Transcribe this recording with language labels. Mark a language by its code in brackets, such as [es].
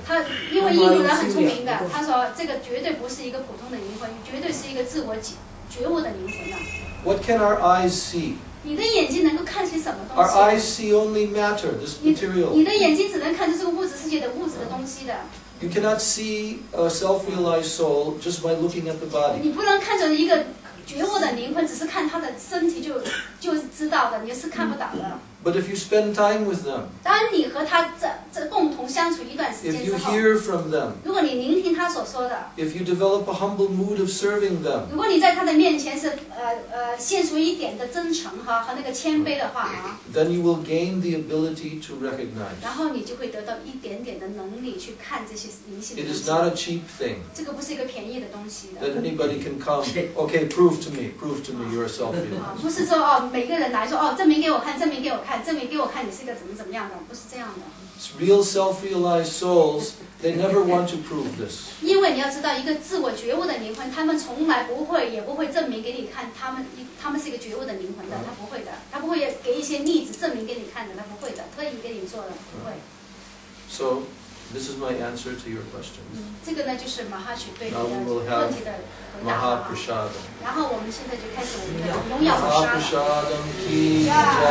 [zh] 他因为印度人很聪明的，他说这个绝对不是一个普通的灵魂，绝对是一个自我觉悟的灵魂啊。 [en] What can our eyes see? [zh] 你的眼睛能够看些什么东西 [en] ？Our eyes see only matter, this material. [zh] 你的眼睛只能看这个物质世界的物质的东西的。 [en] You cannot see a self-realized soul just by looking at the body. [zh] 你不能看着一个觉悟的灵魂，只是看他的身体就知道的，你是看不到的。 [en] But if you spend time with them, [zh] 当你和他这共同相处一段时间之后 [en] ，if you hear from them, [zh] 如果你聆听他所说的 [en] ，if you develop a humble mood of serving them, [zh] 如果你在他的面前是献出一点的真诚哈和那个谦卑的话啊 [en] ，then you will gain the ability to recognize. [zh] 然后你就会得到一点点的能力去看这些灵性。 [en] It is not a cheap thing. [zh] 这个不是一个便宜的东西的。 [en] That anybody can come, okay, prove to me, prove to me you're a self-realized. [zh] 不是说哦，每个人来说哦，证明给我看，证明给我看。证明给我看你是一个怎么怎么样的，不是这样的。 [en] Real self-realized souls, they never want to prove this. [zh] 因为你要知道，一个自我觉悟的灵魂，他们从来不会，也不会证明给你看，他们是一个觉悟的灵魂的，他不会的，他不会给一些例子证明给你看的，他不会的，特意给你做的，不会。 [en] So, this is my answer to your question. [zh] 这个呢，就是马哈曲对你的问题的回答。马哈普沙的。然后我们现在就开始我们的荣耀马哈普沙的。